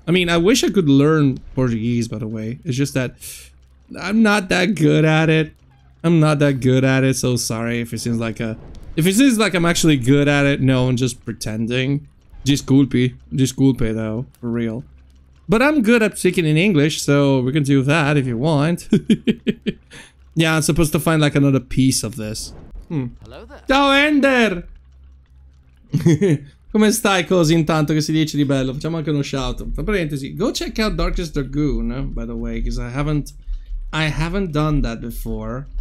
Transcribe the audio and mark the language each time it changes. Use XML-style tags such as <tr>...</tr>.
<en>I mean, I wish I could learn Portuguese, by the way. It's just that I'm not that good at it, so sorry if it seems like I'm actually good at it. No, I'm just pretending. Disculpe though, for real. But I'm good at speaking in English, so we can do that if you want. Yeah, I'm supposed to find, like, another piece of this. Hello there. Ciao, Ender!</en> <it>Come stai così intanto che si dice di bello? Facciamo anche uno shout. Tra parentesi,</it> <en>go check out Darkest Dragoon, by the way, because I haven't done that before.</en>